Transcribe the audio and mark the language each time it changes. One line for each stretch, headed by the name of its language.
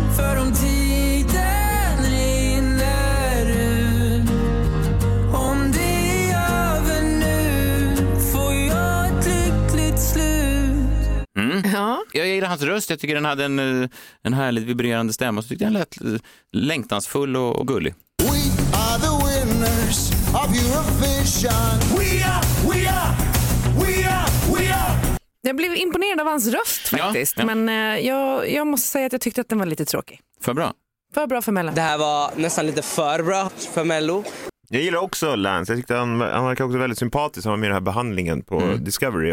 Swedish: För om tiden rinner ut. Om det är över nu. Får hans röst. Jag tycker den hade en härligt vibrerande stämma. Så tyckte jag den lät längtansfull och gullig.
English: We are the winners of Eurovision.
Swedish: Jag blev imponerad av hans röst faktiskt, ja, ja. Men jag måste säga att jag tyckte att den var lite tråkig. För bra. För bra för Mello. Det här var nästan lite för bra för Mello. Jag gillar också Lance. Jag tyckte han verkar också väldigt sympatisk. Han var med i den här behandlingen på Discovery.